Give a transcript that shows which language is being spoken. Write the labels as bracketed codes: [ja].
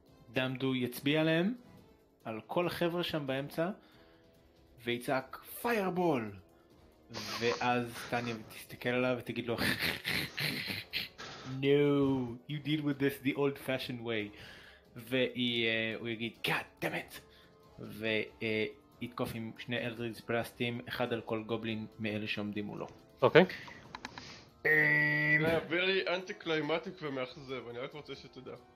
[he] דמדו יצביע עליהם, על כל החבר'ה שם באמצע, ויצעק פיירבול! ואז תניה תסתכל עליו ותגיד לו... [en] No, you deal with this the old fashioned way. [he] והוא יגיד, [en] God damn it! [he] ו... יתקוף עם שני אלדריץ בלאסטים, אחד על כל גובלין מאלה שעומדים מולו. אוקיי. זה [en] very anti-climatic [he] ומאכזב, אני רק רוצה שתדע.